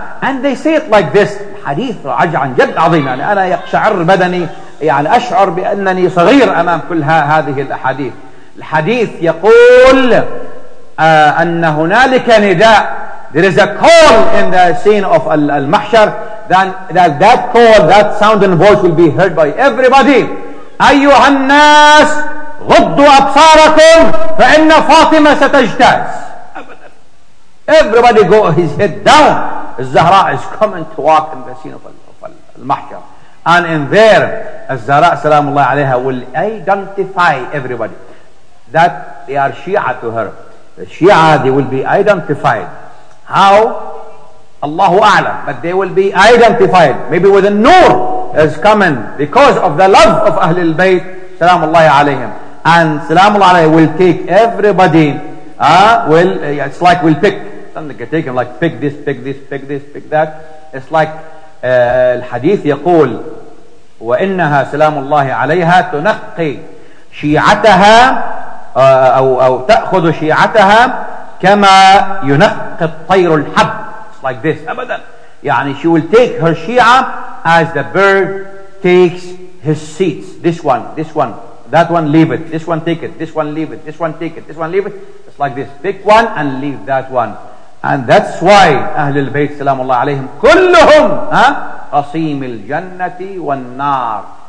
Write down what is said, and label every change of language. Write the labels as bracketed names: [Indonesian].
[English] And they say it like this, [Arabic] حديث رجع عن جد عظيم. يعني أنا يقشعر بدني, يعني أشعر بأنني صغير أمام كل هذه الحديث. الحديث يقول أن هنالك نداء. [English] There is a call in the scene of al-Mahshar. Then that call, that sound and voice will be heard by everybody. [Arabic] أَيُّهَا النَّاسِ غُضُّوا أَبْصَارَكُمْ فَإِنَّ فَاطِمَةَ سَتَجْتَازِ. [English] Everybody go his head down. Az-Zahra is coming to walk in the scene of al-Mahshar. And in there, Az-Zahra salamullahi alayha will identify everybody that they are Shia to her. The Shia, they will be identified. How? Allahu A'lam. But they will be identified, maybe with a nur is coming because of the love of Ahlul Bayt, Salamullahi alayhim. And Salamullahi alayhim will take everybody, it's like we'll pick. Something get taken, like pick this, pick this, pick this, pick that. It's like [Arabic] الحديث يقول وإنها سلام الله عليها تنقي شيعتها أو تأخذ شيعتها كما ينقي الطير الحب. [English] It's like this. [Arabic] أبدا. يعني [English] she will take her Shia as the bird takes his seats. This one, this one, that one, leave it. This one, take it. This one, leave it. This one, take it. This one, leave it. It's like this. Pick one and leave that one. And that's why Ahlul Bayt Salamullah alayhim [Arabic] kulluhum qasim al-jannati wal-nar.